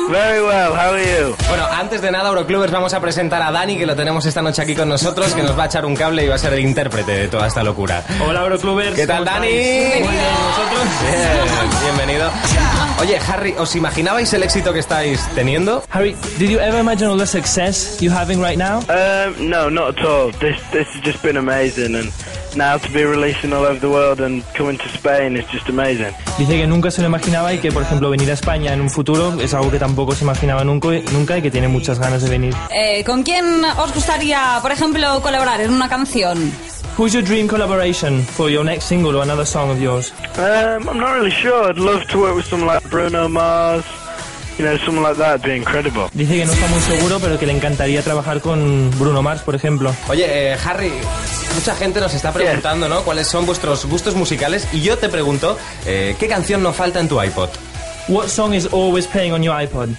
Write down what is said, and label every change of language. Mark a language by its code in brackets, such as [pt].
[en] Very well, how are you? [es] Bueno, antes de nada, Euroclubers, vamos a presentar a Dani, que lo tenemos esta noche aquí con nosotros, que nos va a echar un cable y va a ser el intérprete de toda esta locura. ¡Hola, Euroclubers! ¿Qué tal, Dani? ¡Bienvenido! ¡Bienvenido! Oye, Harry, ¿os imaginabais el éxito que estáis teniendo? [en] Harry, did you ever imagine all the success you're having right now? No, not at all. This has just been amazing, and now to be releasing all over the world and coming to Spain is just amazing. [es] Dice que nunca se lo imaginaba y que, por ejemplo, venir a España en un futuro es algo que tampoco se imaginaba nunca y que tiene muchas ganas de venir. ¿Con quién os gustaría, por ejemplo, colaborar en una canción? [en] Who's your dream collaboration for your next single or another song of yours? I'm not really sure. I'd love to work with someone like Bruno Mars. You know, someone like that would be incredible. [es] Dice que no está muy seguro, pero que le encantaría trabajar con Bruno Mars, por ejemplo. Oye, Harry, mucha gente nos está preguntando, yes, ¿no? ¿Cuáles son vuestros gustos musicales? Y yo te pregunto, ¿qué canción no falta en tu iPod? [en] What song is always playing on your iPod?